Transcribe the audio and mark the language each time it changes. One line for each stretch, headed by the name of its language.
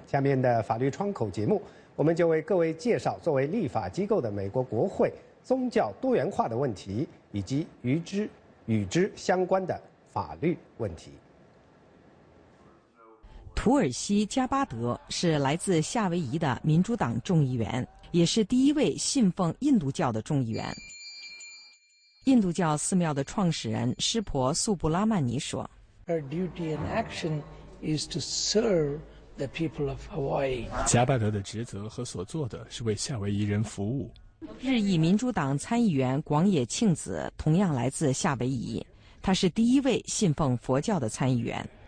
Chinese: 下面的法律窗口节目，我们就为各位介绍作为立法机构的美国国会宗教多元化的问题，以及与之相关的法律问题。土耳其加巴德是来自夏威夷的民主党众议员，也是第一位信奉印度教的众议员。印度教寺庙的创始人湿婆素布拉曼尼说
English: Our duty and action is to serve the people of Hawaii.
Chinese: 加巴德的职责和所做的是为夏威夷人服务。日裔民主党参议员广野庆子同样来自夏威夷，他是第一位信奉佛教的参议员。